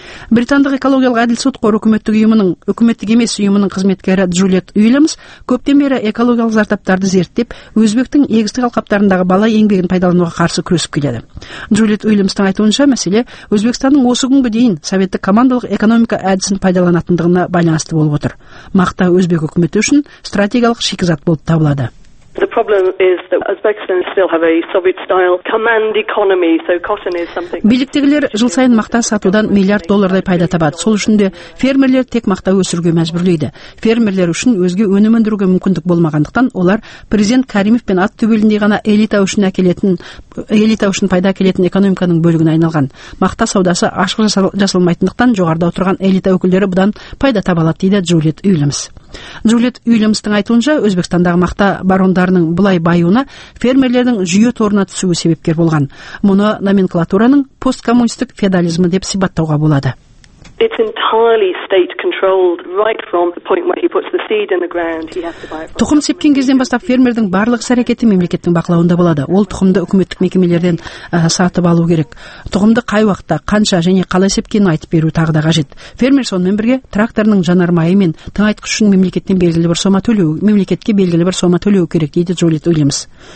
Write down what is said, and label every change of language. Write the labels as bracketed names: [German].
[Kazakh] Британдық экологиялық әділ сот қоры үкіметтік емес ұйымының қызметкері Джулет Уильямс көптен бері экологиялық зардаптарды зерттеп, Өзбектің егістік алқаптарындағы бала еңбегін пайдалануға қарсы күресіп келеді. Джулет Уильямстың айтуынша, мәселе Өзбекстанның осы күнгі дейін советтік командалық экономика әдісін пайдаланатындығына байланысты болып отыр. Мақта өзбек үкіметі үшін стратегиялық шикізат болып табылады. [English] The problem is that Uzbekistan still have a Soviet-style command economy, so cotton is something. [Kazakh] Биліктегілер жыл сайын мақта сатудан миллиард доллардай пайда табады. Сол үшін де фермерлер тек мақта өсіруге мәжбүрлейді. Фермерлер үшін өзге өнім өндіруге мүмкіндік болмағандықтан олар президент Каримов пен ат төбеліндей ғана элита үшін пайда әкелетін экономиканың бөлігіне айналған. Мақта саудасы ашық жасалмайтындықтан жоғарыда отырған элита өкілдері бұдан пайда таба алады, дейді Джулет Уильямс. Джулет Уильямстың айтуынша, Өзбекстандағы мақта барондарының бұлай байуына фермерлердің жүйе торына түсуі себепкер болған. Мұны номенклатураның посткоммунистік феодализмі деп сипаттауға болады. [English] It's entirely state controlled right from the point where he puts the seed in the ground. He has to buy it from. [Kazakh] Тұқым сепкен кезден бастап фермердің барлық әрекеті мемлекеттің бақылауында болады. Ол тұқымды үкіметтік мекемелерден сатып алу керек. Тұқымды қай уақытта, қанша және қалай сепкенін айтып беру тағы да қажет. Фермер сонымен бірге тракторының жанармайы мен тыңайтқыш үшін мемлекеттен белгілі бір сома төлеу керек, дейді Джолит Уильямс.